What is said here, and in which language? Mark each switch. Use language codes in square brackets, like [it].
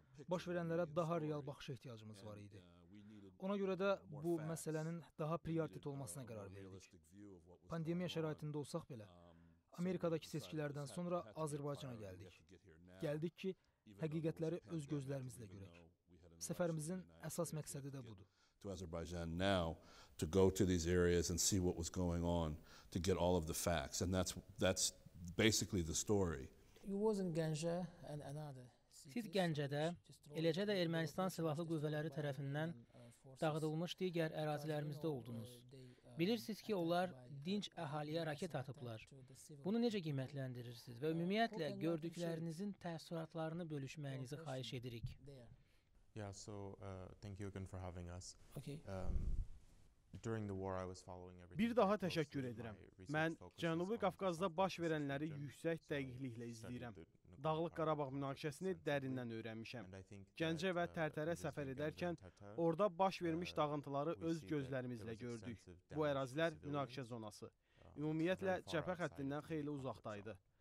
[az] Baş verənlərə daha real baxışa ehtiyacımız var idi. Ona görə də bu məsələnin daha prioritet olmasına qərar verdik. Pandemiya şəraitində olsaq belə, Amerikadakı seçkilərdən sonra Azərbaycana gəldik. Gəldik ki, həqiqətləri öz gözlərimizlə görək. Səfərimizin əsas məqsədi də budur. [en] To Azerbaijan now to go to these areas and see what was going on to get all of the facts and that's basically the story. You was in Gence and another. [az] Siz Gəncədə, eləcə də Ermənistan silahlı qüvvələri tərəfindən dağıdılmış digər ərazilərimizdə oldunuz. Bilirsiniz ki, onlar dinç əhaliyə raket atıblar. Bunu necə qiymətləndirirsiniz və ümumiyyətlə gördüklərinizin təəssüratlarını bölüşməyinizi xahiş edirik. [en] Yeah, so thank you again for having us. Okay. During the war I was following everything. [az] Bir daha təşəkkür edirəm. Mən Cənubi Qafqazda baş verənləri yüksək dəqiqliklə izləyirəm. Dağlıq Qarabağ münaqişəsini dərindən öyrənmişəm. Gəncə və Tərtərə səfər edərkən orada baş vermiş dağıntıları öz gözlərimizlə gördük. Bu ərazilər münaqişə zonası. Ümumiyyətlə cəbhə xəttindən xeyli uzaqdaydı.